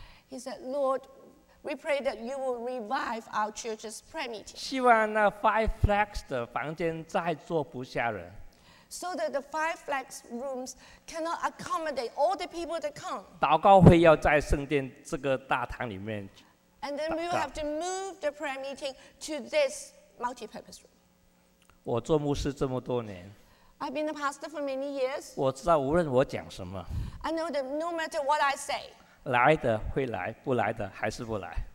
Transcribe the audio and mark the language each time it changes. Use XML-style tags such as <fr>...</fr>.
<en>He said, Lord, we pray that you will revive our church's prayer meeting.</en> <zh>希望那 Five Flags 的房间再坐不下人。</zh> <en>So that the Five Flags rooms cannot accommodate all the people that come.</en> <zh>祷告会要在圣殿这个大堂里面。</zh> <en>And then we will have to move the prayer meeting to this multi-purpose room.</en> <zh>我做牧师这么多年。</zh> <en>I've been a pastor for many years.</en> <zh>我知道无论我讲什么。</zh> <en>I know that no matter what I say.</en> <zh>来的会来，不来的还是不来。</zh>